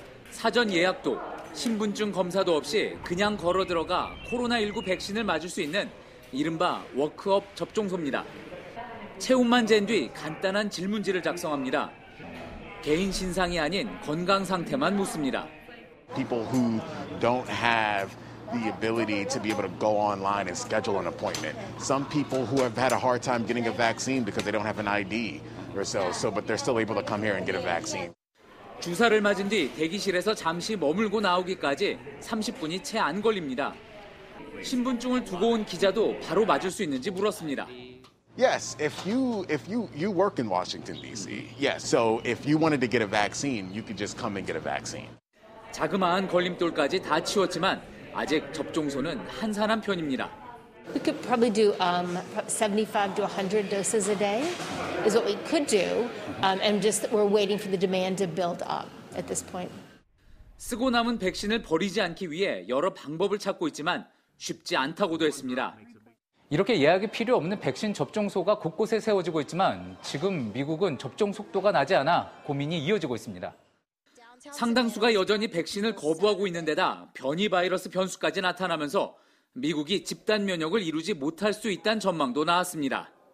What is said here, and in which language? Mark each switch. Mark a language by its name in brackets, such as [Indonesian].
[Korean] 사전 예약도 신분증 검사도 없이 그냥 걸어 들어가 코로나19 백신을 맞을 수 있는 이른바 워크업 접종소입니다. 체온만 잰 뒤 간단한 질문지를 작성합니다. 개인 신상이 아닌 건강 상태만 묻습니다. [English] People who don't have the ability to be able to go online and schedule an appointment. Some people who have had a hard time getting a vaccine because they don't have an ID or so, but they're still able to come here and get a vaccine. [Korean] 주사를 맞은 뒤 대기실에서 잠시 머물고 나오기까지 30분이 채 안 걸립니다. 신분증을 두고 온 기자도 바로 맞을 수 있는지 물었습니다. [English] Yes, if you work in Washington D.C. Yes, so if you wanted to get a vaccine, you could just come and get a vaccine. [Korean] 자그마한 걸림돌까지 다 치웠지만 아직 접종소는 한산한 편입니다. [English] We could probably do 75 to 100 doses a day is what we could do, and just we're waiting for the demand to build up at this point. [Korean] 쓰고 남은 백신을 버리지 않기 위해 여러 방법을 찾고 있지만 쉽지 않다고도 했습니다. 이렇게 예약이 필요 없는 백신 접종소가 곳곳에 세워지고 있지만 지금 미국은 접종 속도가 나지 않아 고민이 이어지고 있습니다. 상당수가 여전히 백신을 거부하고 있는 데다 변이 바이러스 변수까지 나타나면서 미국이 집단 면역을 이루지 못할 수 있다는 전망도 나왔습니다.